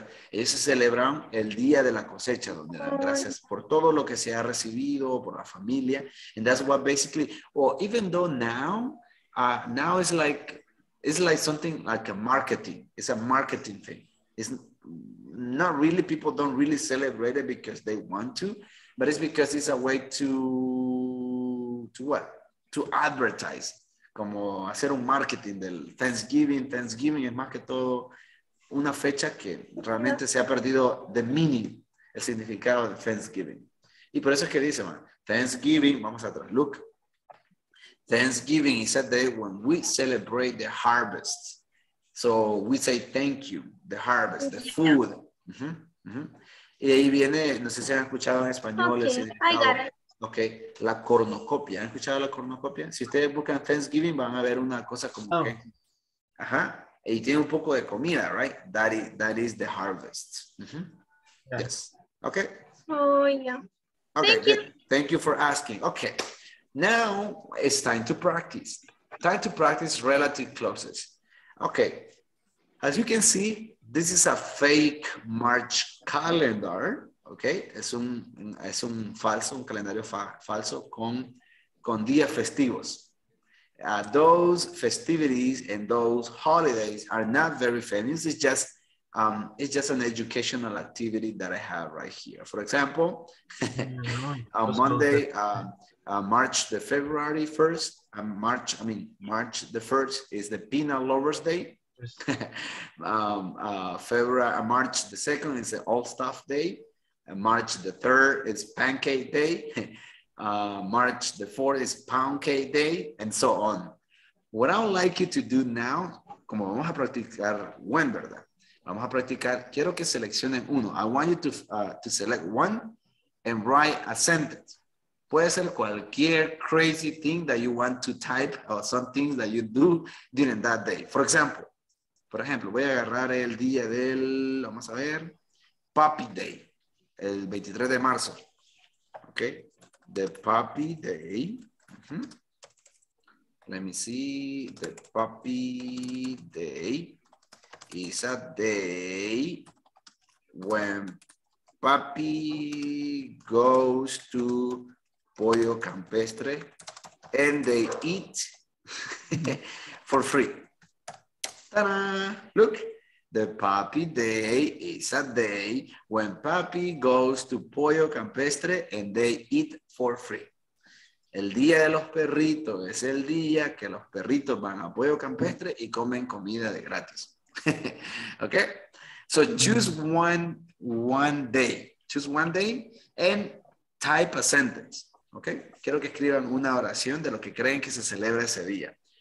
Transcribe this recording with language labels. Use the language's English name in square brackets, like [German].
[Spanish] Ellos celebran el día de la cosecha, donde dan gracias por todo lo que se ha recibido, por la familia. [English] And that's what basically, even though now it's like, something like a marketing. It's a marketing thing. It's not really, people don't really celebrate it because they want to, but it's because it's a way to what? To advertise. [Spanish] Como hacer un marketing del Thanksgiving. Thanksgiving es más que todo una fecha que realmente se ha perdido [English] the meaning, [Spanish] el significado de Thanksgiving. Y por eso es que dice, man, Thanksgiving, vamos atrás, look. [English] Thanksgiving is a day when we celebrate the harvest. So we say thank you, the harvest, the food. Mm-hmm, mm-hmm. [Spanish] Y ahí viene, no sé si han escuchado en español. [English] Okay, I got it. [Spanish] Okay, la cornucopia. ¿Han escuchado la cornucopia? Si ustedes buscan Thanksgiving, van a ver una cosa como que. Ajá. Y tiene un poco de comida, [English] right? That is the harvest. Mm-hmm. Yes. Okay. Oh, yeah. Okay, thank you. Thank you for asking. Okay. Now it's time to practice. Time to practice relative clauses. Okay, as you can see, this is a fake March calendar. [Spanish] Okay, es un falso, un calendario falso con días festivos. [English] Those festivities and those holidays are not very famous. It's just an educational activity that I have right here. For example, on Monday. March the February 1st, March the 1st is the Peanut Lovers Day. March the 2nd is the All Stuff Day. And March the 3rd is Pancake Day. March the 4th is Pound Cake Day, and so on. What I would like you to do now, [Spanish] como vamos a practicar, [English] when, [Spanish] verdad? Vamos a practicar, quiero que seleccionen uno. [English] I want you to select one and write a sentence. [Spanish] Puede ser cualquier [English] crazy thing that you want to type or some things that you do during that day. [Spanish] Por ejemplo, voy a agarrar el día del, vamos a ver, Puppy Day, el 23 de marzo. [English] Okay, the Puppy Day. Mm-hmm. Let me see, the Puppy Day is a day when puppy goes to Pollo Campestre, and they eat for free. Ta-da! Look, the Puppy Day is a day when puppy goes to Pollo Campestre and they eat for free. [Spanish] El día de los perritos es el día que los perritos van a Pollo Campestre y comen comida de gratis. Okay? [English] So choose one day. Choose one day and type a sentence. [Spanish] Okay, quiero que escriban una oración de lo que creen que se celebra ese día.